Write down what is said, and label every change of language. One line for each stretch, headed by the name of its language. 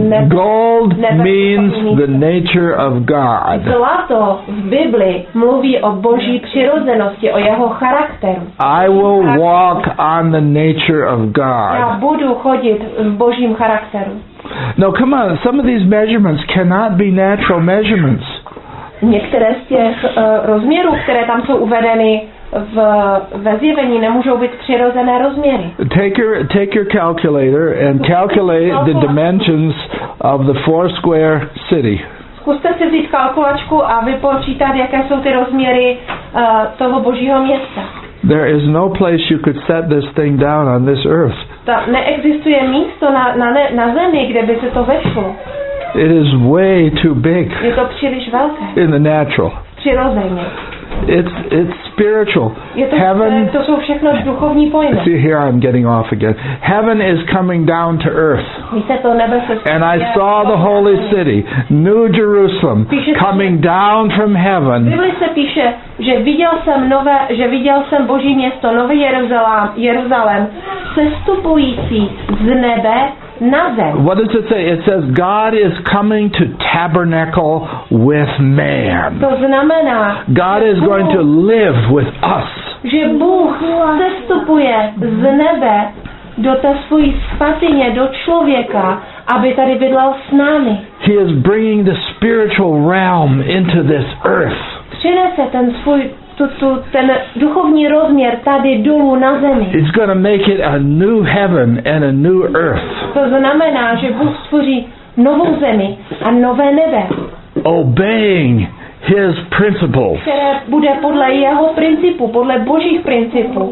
English: Gold means the nature of God.
Czech: Zlato v Bibli mluví o Boží přirozenosti, o jeho charakteru.
English: I will walk on the nature of God.
Czech: Já budu chodit v Božím charakteru.
English: Now come on, some of these measurements cannot be natural measurements.
Czech: Některé z těch rozměrů, které tam jsou uvedeny ve Zjevení, nemůžou být přirozené rozměry.
English: Take your calculator and calculate the dimensions of the four square city.
Czech: Zkuste si vzít kalkulačku a vypočítat, jaké jsou ty rozměry toho Božího města.
English: There is no place you could set this thing down on this earth.
Czech: Ta neexistuje místo na zemi, kde by se to vešlo.
English: It is way too big.
Czech: Je to příliš velké.
English: In the natural.
Czech: Přirozeně.
English: It's spiritual.
Czech: Je to,
English: heaven.
Czech: To jsou všechno duchovní pojmy.
English: See, here I'm getting off again. Heaven is coming down to earth.
Czech: Víte, to nebe se spíše.
English: And I saw the holy city, New Jerusalem,
Czech: píše
English: coming down from heaven.
Czech: V Bibli se píše, že viděl jsem nové, že viděl jsem Boží město, nový Jeruzalém, sestupující z nebe.
English: What does it say? It says God is coming to tabernacle with man.
Czech: To znamená,
English: God is
Czech: Bůh,
English: going to live with us.
Czech: Že Bůh sestupuje z nebe do té svojí svatyně, do člověka, aby tady bydlel s námi.
English: He is bringing the spiritual realm into this earth.
Czech: Přinese ten svůj ten duchovní rozměr tady dolů na zemi.
English: It's going to make it a new heaven and a new earth.
Czech: To znamená, že Bůh stvoří novou zemi a nové nebe.
English: Obeying his principles.
Czech: Které bude podle jeho principu, podle Božích principů.